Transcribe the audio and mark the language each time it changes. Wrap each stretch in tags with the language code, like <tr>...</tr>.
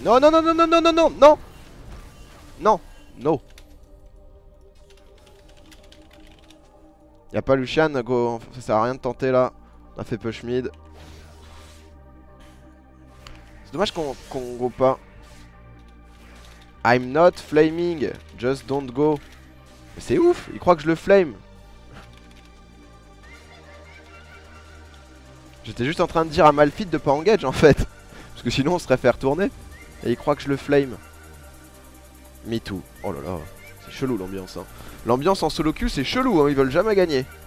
<fr>Non, non, non, non, non, non, non, non, non. Non, no. Y'a pas Lucian, go. Ça sert à rien de tenter là. On a fait push mid. C'est dommage qu'on go pas.</fr> <en>I'm not flaming, just don't go.</en> <fr>Mais c'est ouf, il croit que je le flame. J'étais juste en train de dire à Malphite de pas engage en fait. Parce que sinon on serait fait retourner. Et il croit que je le flame.</fr> <en>Me too.</en> <fr>Oh là là, c'est chelou l'ambiance. Hein. L'ambiance en solo queue, c'est chelou, hein. Ils veulent jamais gagner.</fr>